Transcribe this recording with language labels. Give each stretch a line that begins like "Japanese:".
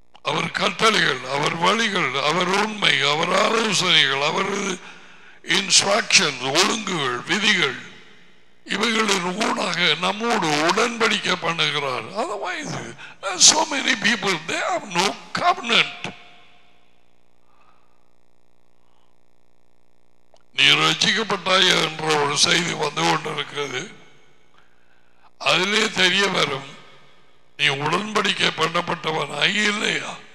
Tamil: அவர் கட்டளைகள், அவர் வழிகள், அவர் உண்மை, அவர் ஆலோசனைகள், அவர் இன்ஸ்ட்ரக்ஷன், ஒழுங்குகள், விதிகள், இவைகளின் ஊடாக நம்மோடு உடன்படிக்கை பண்ணுகிறார்.
English: Otherwise so many people, they have no covenant.
Tamil: நீ ரட்சிக்கப்பட்டாய் என்ற ஒரு செய்தி வந்து கொண்டிருக்கிறது, அதிலே தெரிய வரும் நீ உடன்படிக்கை பண்ணப்பட்டவனாய் இல்லையா.